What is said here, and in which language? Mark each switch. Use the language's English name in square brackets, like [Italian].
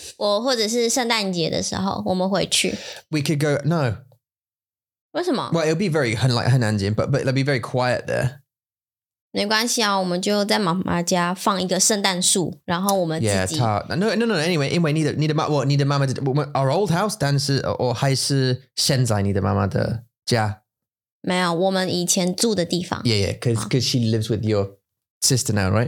[Chinese] 我或者是圣诞节的时候,我们回去。 [English] We could go, no. [Chinese] 为什么? [English] Well, it'll be very, like, [Chinese] 很安静, [English] but it'll be very quiet there. [Chinese] 没关系啊,我们就在妈妈家放一个圣诞树,然后我们自己。 [English] Yeah, no, anyway, [Chinese] 因为你的妈妈的, [English] our old house, [Chinese] 但是, or 还是现在你的妈妈的家? 没有,我们以前住的地方。 [English] Yeah, because she lives with your sister now, right?